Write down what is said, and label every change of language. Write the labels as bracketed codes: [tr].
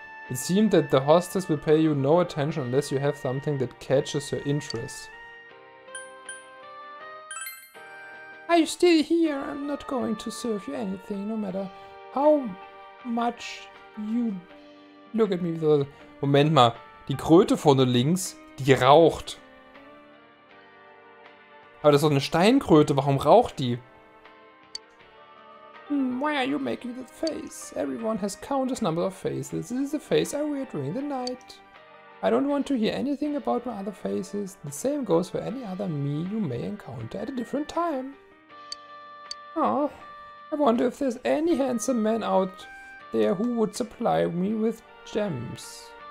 [en] It seemed that the hostess will pay you no attention unless you have something that catches her interest. Are you still here? I'm not going to serve you anything, no matter how much you look at me. [de] Moment mal, die Kröte vorne links, die raucht. Aber das ist doch eine Steinkröte, warum raucht die? [en] Why are you making that face? Everyone has countless number of faces. This is the face I wear during the night. I don't want to hear anything about my other faces. The same goes for any other me you may encounter at a different time. Oh, I wonder if there's any handsome man out there who would supply me with gems.